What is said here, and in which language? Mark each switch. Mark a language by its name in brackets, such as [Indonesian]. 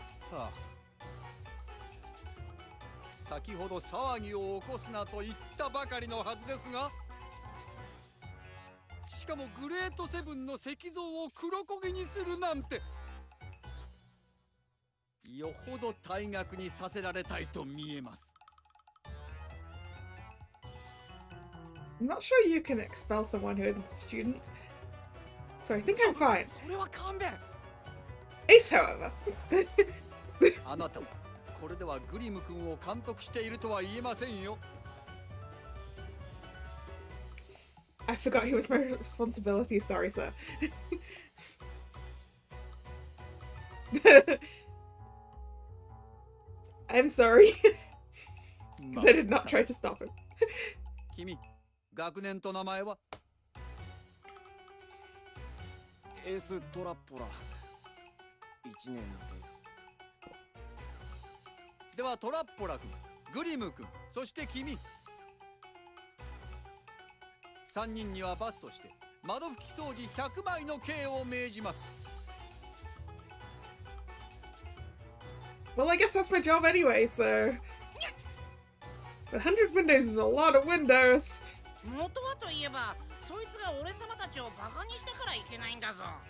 [Japanese] はあ、先ほど騒ぎを起こすなと言ったばかりのはずですが、しかもグレートセブンの石像を黒焦げにするなんて、よほど退学にさせられたいと見えます。 [English] I'm not sure you can expel someone who isn't a student. So I think I'm fine. [Japanese] それは勘弁。 [English] Ace, however. [Japanese] あなたは、これではグリム君を監督しているとは言えませんよ。 [English] I forgot he was my responsibility, sorry, sir. I'm sorry. Because I did not try to stop him. [Japanese] 君。学年と名前は？エス・トラッポラ。1年の手。ではトラッポラ君、グリム君、そして君。 3人には罰として窓拭き掃除100枚の刑を命じます。 [English] Well, I guess that's my job anyway, so... But 100 windows is a lot of windows! [Japanese] 元はといえば、そいつが俺様たちをバカにしたからいけないんだぞ。